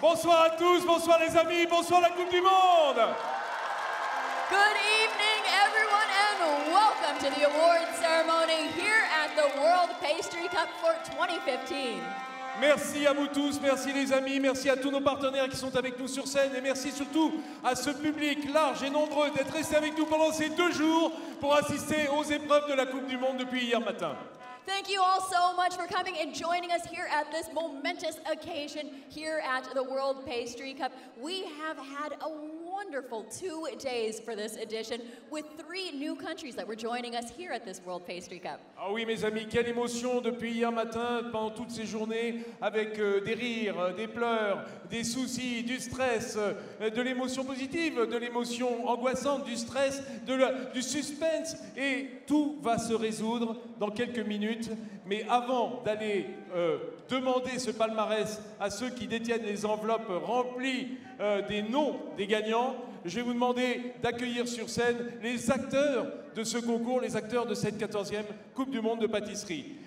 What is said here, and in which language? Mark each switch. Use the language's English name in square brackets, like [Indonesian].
[French] Bonsoir à tous, bonsoir les amis, bonsoir la Coupe du Monde. [English] Good evening, everyone, and welcome to the award ceremony here at the World Pastry Cup for 2015. [French] Merci à vous tous, merci les amis, merci à tous nos partenaires qui sont avec nous sur scène et merci surtout à ce public large et nombreux d'être resté avec nous pendant ces deux jours pour assister aux épreuves de la Coupe du Monde depuis hier matin. [English] Thank you all so much for coming and joining us here at this momentous occasion here at the World Pastry Cup. We have had a wonderful 2 days for this edition with 3 new countries that were joining us here at this World Pastry Cup. [French] Ah oui, mes amis, quelle émotion depuis hier matin, pendant toutes ces journées, avec des rires, des pleurs, des soucis, du stress, de l'émotion positive, de l'émotion angoissante, du stress, du suspense. Et tout va se résoudre dans quelques minutes. Mais avant d'aller demander ce palmarès à ceux qui détiennent les enveloppes remplies des noms des gagnants, je vais vous demander d'accueillir sur scène les acteurs de ce concours, les acteurs de cette 14e Coupe du Monde de pâtisserie.